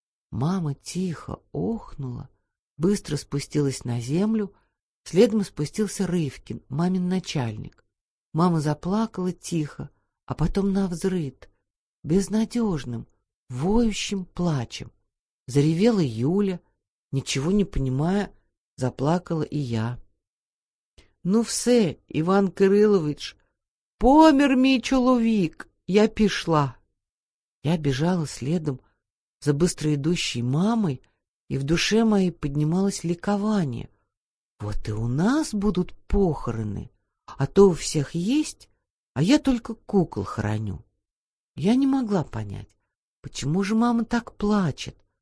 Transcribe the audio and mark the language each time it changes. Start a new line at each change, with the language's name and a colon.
Russian: Мама тихо охнула, быстро спустилась на землю, следом спустился Рывкин, мамин начальник. Мама заплакала тихо, а потом навзрыд, безнадежным, воющим плачем. Заревела Юля, ничего не понимая, заплакала и я. «Ну все,
Ukrainian: Иван Кириллович, помер мій чоловік, я пішла».
Russian: Я бежала следом за быстроидущей мамой, и в душе моей поднималось ликование. «Вот и у нас будут похороны, а то у всех есть, а я только кукол хороню». Я не могла понять, почему же мама так плачет?